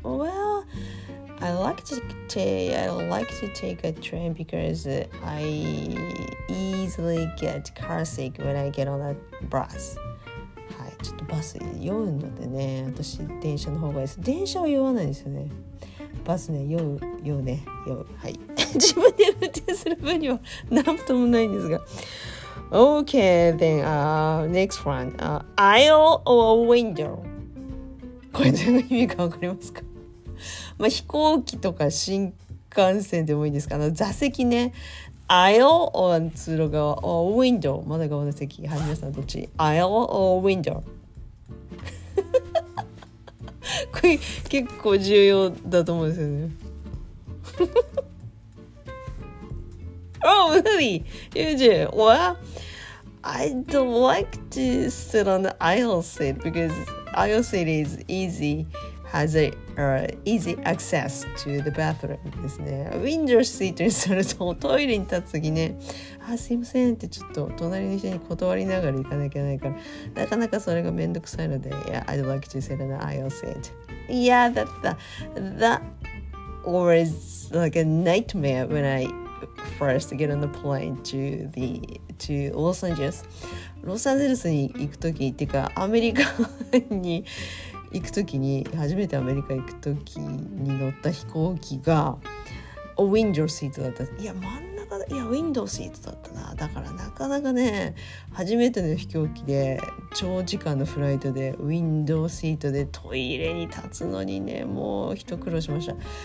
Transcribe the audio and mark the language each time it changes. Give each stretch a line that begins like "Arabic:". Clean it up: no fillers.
English: Well, I like to take a train because I easily get car sick when I get on a bus.
Japanese: はい、ちょっとバス酔うのでね、私電車の方がいいです。電車は酔わないですよね。バスね、酔う。はい、自分で運転する分には何ともないんですが。
English: Okay, then next one. Aisle or window?
Japanese: これ全然意味が分かりますか。まあ、飛行機とか新幹線でもいいんですか。あの座席ね、
English: aisle or
Japanese: 通路側、
English: or window、
Japanese: まだ側の席、はい、皆さんどっち、
English: aisle or window。
Japanese: これ結構重要だと思うんですよね。
English: Oh, movie. Eugene, well, I don't like to sit on the aisle seat because aisle seat is easy, has a easy access to the bathroom
Japanese: ですね。
English: Window seat
Japanese: にするとトイレに立つ時ね、あすいませんってちょっと隣の人に断りながら行かなきゃないから、なかなかそれがめんどくさいので、
English: Yeah, I'd like to sit on the aisle seat. Yeah, that was like a nightmare when I first get on the plane to Los Angeles.
Japanese: ロサンゼルスに行く時っていうかアメリカに行くときに、初めてアメリカ行くときに乗った飛行機がウィンドウシートだった。いや真ん中だ、いやウィンドウシートだったな。だからなかなかね、初めての飛行機で長時間のフライトでウィンドウシートでトイレに立つのにね、もう一苦労しました。